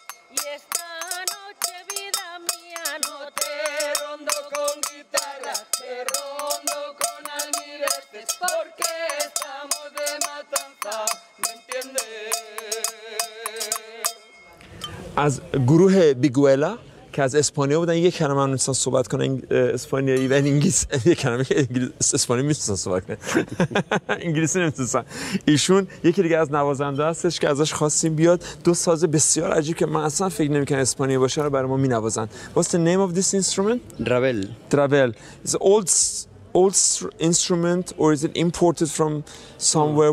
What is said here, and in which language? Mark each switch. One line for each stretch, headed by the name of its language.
Spanish: Y esta noche, vida mía, no te rondo con guitarra, te rondo con almiretes, porque estamos de matanza, ¿me entiendes?
Persian: از گروه بیگوئلا که از اسپانیا بودن یک کلمه هم نمی‌تونن صحبت کنن اسپانیایی و انگلیسی، یک کلمه که اسپانیایی می‌تونن صحبت کنن انگلیسی نمی‌تونن. ایشون یکی دیگه از نوازنده هستش که ازش خواستیم بیاد، دو ساز بسیار عجیب که من اصلا فکر نمی‌کنم اسپانیایی باشه رو برای ما می‌نوازن.
English: What's the name of this instrument? Trabel. Trabel. It's old instrument or is it imported from somewhere?